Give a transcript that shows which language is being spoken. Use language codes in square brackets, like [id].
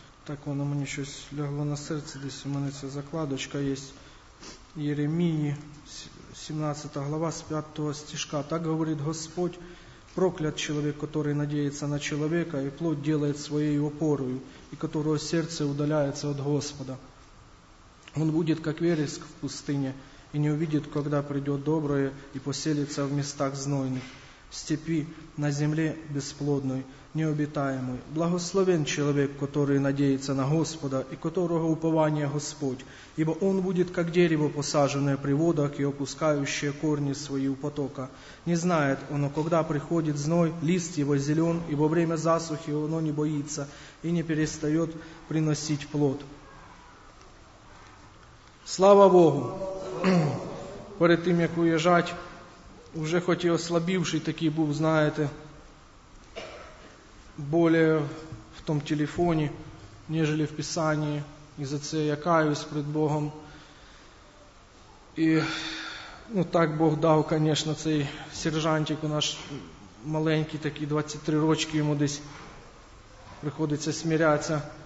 [uk] Так воно мені щось лягло на серце, десь у мене ця закладочка є. Єремії, 17 глава, з 5 стишка. Так говорить Господь, проклят чоловік, який надіється на чоловіка, і плоть ділає своєю опорою, і якого серце удаляється від Господа. Він буде, як вереск в пустині, [ru] и не увидит, когда придет доброе и поселится в местах знойных, в степи, на земле бесплодной, необитаемой. Благословен человек, который надеется на Господа, и которого упование Господь, ибо он будет, как дерево, посаженное при водах и опускающее корни свои у потока. Не знает оно, когда приходит зной, лист его зелен, и во время засухи оно не боится и не перестает приносить плод. Слава Богу! [uk] Перед тим, як уїжджати, вже хоч і ослабівший такий був, знаєте, більше в тому телефоні, ніж в писанні. І за це я каюсь перед Богом. І, ну, так Бог дав, звісно, цей сержантик у наш маленький, такий 23 рочки, йому десь приходиться смиряться.